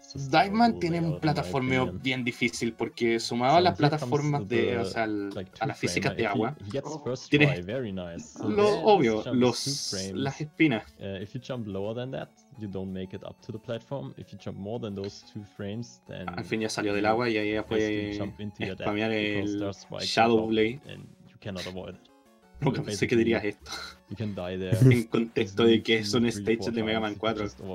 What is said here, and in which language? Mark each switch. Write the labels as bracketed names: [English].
[Spanish] Diveman tiene un plataformeo bien difícil porque sumado a las plataformas de, o sea, a las físicas de agua, tiene lo obvio, las espinas. [English] If you jump lower than that, you don't make it up to the platform. If you jump more than those two frames, then [Spanish] al fin ya salió del agua y ahí ya fue spamear el Shadow Blade. [English] You cannot avoid it. [Spanish] Nunca pensé que dirías esto. [English] You can die there. [Spanish] En contexto de que es un stage de Mega Man 4.